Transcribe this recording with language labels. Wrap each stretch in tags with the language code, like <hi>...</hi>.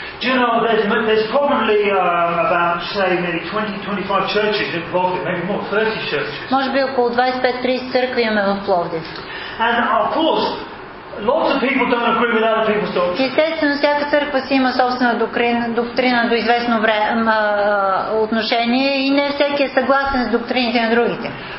<en>Do you know there's probably about say maybe 20-25 churches in Plovdiv, maybe more 30 churches.</en> <bg>Може би около 25-30 църкви имаме в Пловдив.</bg> <en>And of course, lots of people don't agree with other people's doctrine.</en> <bg>Естествено, всяка църква си има собствена доктрина до известно време отношение и не всеки е съгласен с доктрините на другите.</bg>